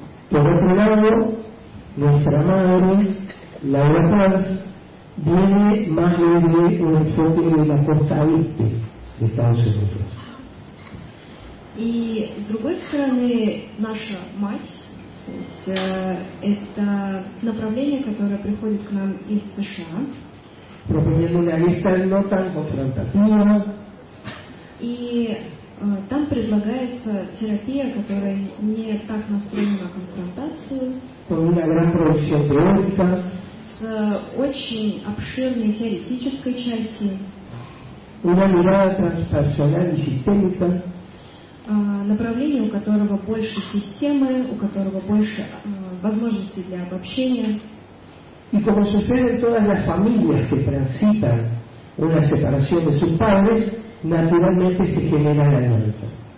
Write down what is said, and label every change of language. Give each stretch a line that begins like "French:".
Spanish: Por otro lado, nuestra madre, Laura Paz, viene más desde un enfoque de la costa oeste de Estados Unidos.
Russian: Y, с другой стороны, наша мать, то есть это направление, которое приходит к нам из США,
Spanish: proponiendo una vista no tan confrontativa.
Russian: И там предлагается терапия, которая не так настроена на конфронтацию.
Spanish: Con una gran producción teórica.
Russian: С очень обширной теоретической частью.
Spanish: Una mirada transpersonal y sistémica.
Russian: Направление, у которого больше системы, у которого больше возможностей для обобщения.
Spanish: Y como sucede en todas las familias que transitan una separación de sus padres, naturalmente se genera la alianza.